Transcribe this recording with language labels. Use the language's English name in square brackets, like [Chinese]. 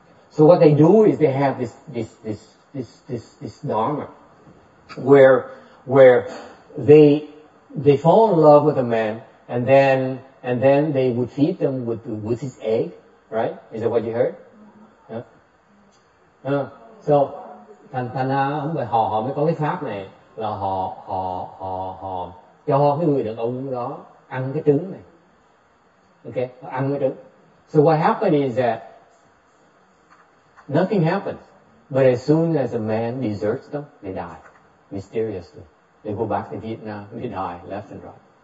[English] So what they do is they have this dharma where they fall in love with a man. And then they would feed them with his egg, right? Is that what you heard? [Vietnamese] So thành thành ra không phải họ mới có cái pháp này là họ cho cái người đàn ông đó ăn cái trứng này, okay? Ăn cái trứng. [English] So what happened is that nothing happens, but as soon as a man deserts them, they die mysteriously. They go back to Vietnam, they die left and right.